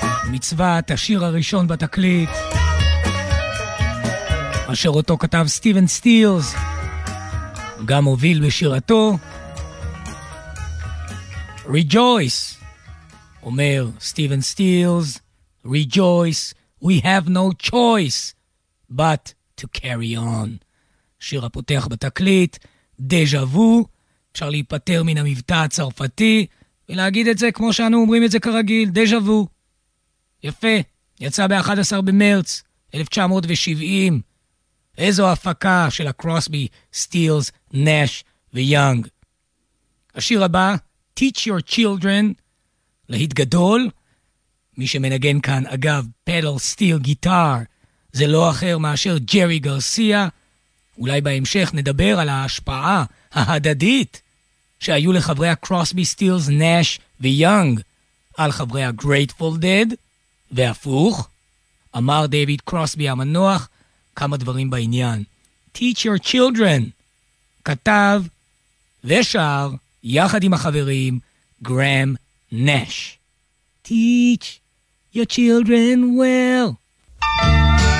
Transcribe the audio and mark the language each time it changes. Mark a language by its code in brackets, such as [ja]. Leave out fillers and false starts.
[he] מצוות השיר הראשון בתקליט, אשר אותו כתב סטיבן סטילס, גם הוביל בשירתו. [en] Rejoice, [he] אומר סטיבן סטילס, [en] Rejoice, we have no choice but to carry on. [he] שיר הפותח בתקליט, דז'ה וו, אפשר להיפטר מן המבטא הצרפתי, ולהגיד את זה כמו שאנו אומרים את זה כרגיל, דז'ה וו. יפה, יצא ב-11 במרץ 1970. איזו הפקה של הקרוסבי, סטילס, נאש ויונג. השיר הבא, Teach Your Children, להיט גדול. מי שמנגן כאן, אגב, פדל סטיל גיטר, זה לא אחר מאשר ג'רי גרסיה. אולי בהמשך נדבר על ההשפעה ההדדית שהיו לחברי הקרוסבי, סטילס, נאש ויונג על חברי הגרייטפול דד. והפוך, אמר דייוויד קרוסבי המנוח כמה דברים בעניין. Teach your children, כתב ושר יחד עם החברים גראם נאש. [en] Teach your children well.